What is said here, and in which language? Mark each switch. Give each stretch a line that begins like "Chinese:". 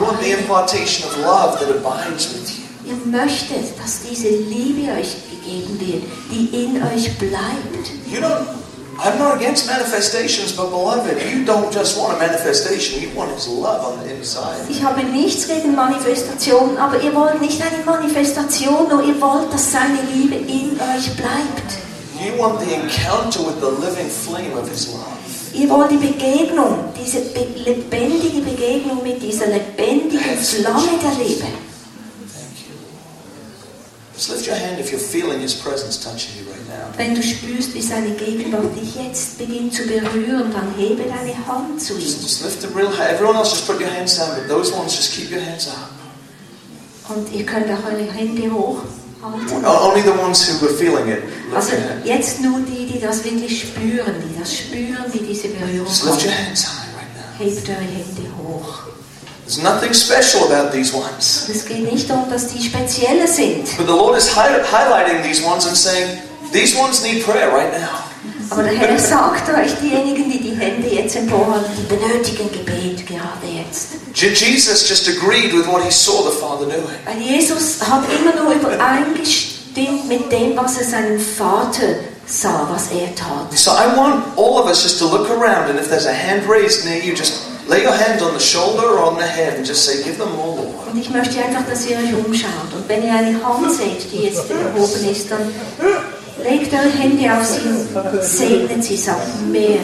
English: You want the impartation of love that abides with you.
German: Ihr möchtet, dass diese Liebe euch gegeben wird, die in euch bleibt.
English: You know, I'm not against manifestations, but beloved, you don't just want a manifestation, you want His love on the inside.
German: Ich habe nichts gegen Manifestationen, aber ihr wollt nicht eine Manifestation, nur ihr wollt, dass seine Liebe in euch bleibt.
English: You want the encounter with the living flame of His love.
German: Ihr wollt die Begegnung, diese lebendige Begegnung mit dieser lebendigen Flamme der Liebe.
English: Just lift your hand if you're feeling His presence touching you right now.
German: Wenn du spürst, wie seine Gegenwart dich jetzt beginnt zu berühren, dann hebe deine Hand zu ihm.
English: Just lift them real high. Everyone else, just put your hands down. But those ones, just keep your hands up.
German: Und ihr könnt auch eure Hände hoch halten.
English: Well, only the ones who were feeling it.
German: Also jetzt nur die, die das wirklich spüren, die das spüren, wie diese Berührung.
English: Just lift your hands high right now.
German: Hebt eure Hände hoch.
English: There's nothing special about these ones.
German: Es geht nicht darum, dass die spezielle sind.
English: But the Lord is highlighting these ones and saying, these ones need prayer right now.
German: Aber der Herr sagt euch, diejenigen, die die Hände jetzt emporhalten, die benötigen Gebet gerade jetzt.
English: Jesus just agreed with what he saw the Father doing.
German: Und Jesus hat immer nur übereingestimmt mit dem, was er seinem Vater sah, was er tat.
English: So I want all of us just to look around, and if there's a hand raised near you, just lay your hand on the shoulder or on the head and just say, give them all, Lord.
German: Und ich möchte einfach, dass ihr euch umschaut. Und wenn ihr eine Hand seht, die jetzt erhoben ist, dann legt eure Hände auf sie und segnet sie, sagt mehr.